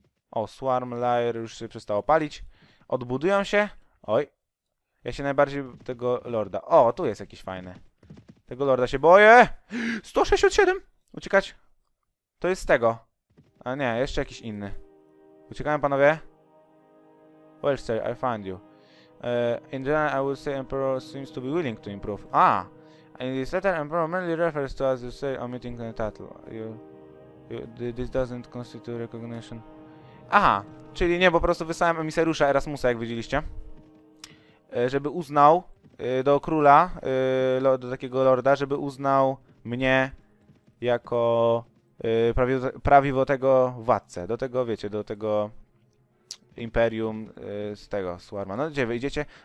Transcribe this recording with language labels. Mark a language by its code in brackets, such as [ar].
[pl] O, Swarm Lair już się przestało palić. Odbudują się. Oj. Ja się najbardziej tego lorda... O, tu jest jakiś fajny. Tego lorda się boję! 167! Uciekać? To jest z tego. A nie, jeszcze jakiś inny. Uciekają panowie? [en] Well, sir, I find you. In general, I would say Emperor seems to be willing to improve. Ah! In this letter, Emperor mainly refers to, as you say, omitting the title. This doesn't constitute recognition. Aha! [pl] Czyli nie, po prostu wysłałem emisariusza Erasmusa, jak widzieliście. Żeby uznał do króla, do takiego lorda, żeby uznał mnie jako prawidłowego władcę. Do tego, wiecie, do tego... Imperium z tego, Swarma. No gdzie wy idziecie?